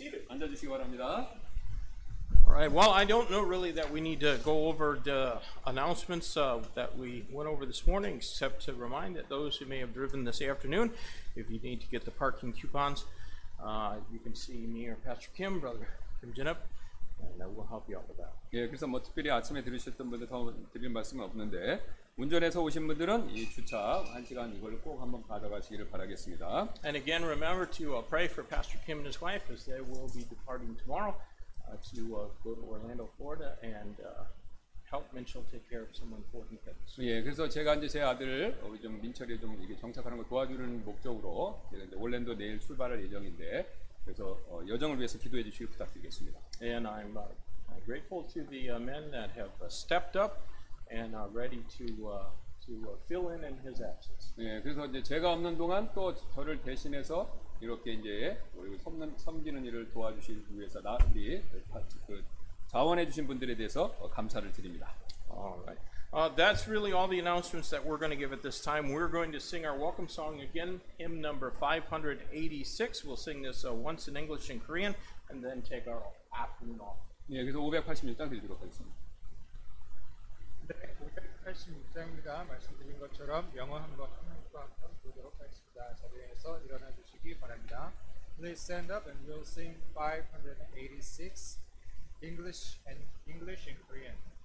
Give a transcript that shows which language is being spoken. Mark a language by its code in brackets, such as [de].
[en] I don't know really that we need to go over the announcements that we went over this morning, except to remind that those who may have driven this afternoon, if you need to get the parking coupons, you can see me or Pastor Kim, Brother Kim Jin-up, and that will help you out with that. [ko] 예, 그래서 뭐 특별히 아침에 들으셨던 분들 더 드릴 말씀은 없는데 운전해서 오신 분들은 이 주차 한 시간 이걸 꼭 한번 받아가시기를 바라겠습니다. [en] And again, remember to pray for Pastor Kim and his wife as they will be departing tomorrow. To go to Orlando, Florida, and help Minchel take care of some important things. [ko] 예, 그래서 제가 이제 제 아들을 좀 민철이 좀 이게 정착하는 걸 도와주는 목적으로 이제 올랜도 내일 출발할 예정인데, 그래서 여정을 위해서 기도해 주시길 부탁드리겠습니다. [en] And I'm grateful to the men that have stepped up and are ready to fill in his absence. [ko] 예, 그래서 이제 제가 없는 동안 또 저를 대신해서 이렇게 이제 우리 섬기는 일을 도와주신 위해서 나 우리 그 자원해 주신 분들에 대해서 감사를 드립니다. [en] Alright. That's really all the announcements that we're going to give at this time. We're going to sing our welcome song again, hymn number 586. We'll sing this once in English and Korean, and then take our afternoon off. [ko] 네, 그래서 586장 드리도록 하겠습니다. 네, 586장입니다. 말씀드린 것처럼 영어 한번 하나님과 한번 보도록 하겠습니다. 자리에서 일어나 주시기 바랍니다. [en] Please stand up and we'll sing 586 English and Korean.